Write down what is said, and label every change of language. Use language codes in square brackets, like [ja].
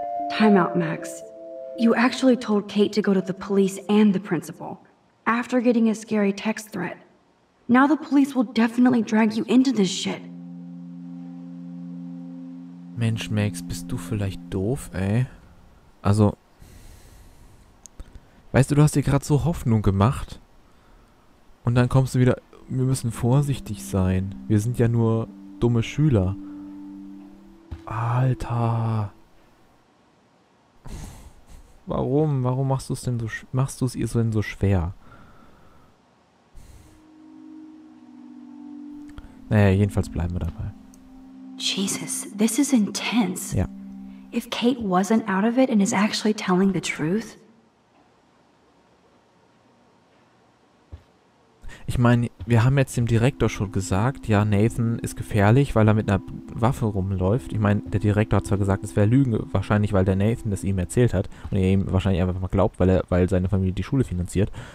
[en] Time out, Max. You actually told Kate to go to the police and the principal after getting a scary text threat. Now the police will definitely drag you into this shit. [de] Mensch, Max, bist du vielleicht doof, ey? Also, weißt du, du hast dir gerade so Hoffnung gemacht und dann kommst du wieder, wir müssen vorsichtig sein. Wir sind ja nur dumme Schüler. Alter. Warum? Warum machst du es ihr denn so schwer? Naja, jedenfalls bleiben wir dabei. [en] Jesus, this is intense. [de] Ja. [en] If Kate wasn't out of it and is actually telling the truth. [de] Ich meine, wir haben jetzt dem Direktor schon gesagt, ja, Nathan ist gefährlich, weil er mit einer Waffe rumläuft. Ich meine, der Direktor hat zwar gesagt, es wäre Lügen, wahrscheinlich, weil der Nathan das ihm erzählt hat und er ihm wahrscheinlich einfach mal glaubt, weil seine Familie die Schule finanziert.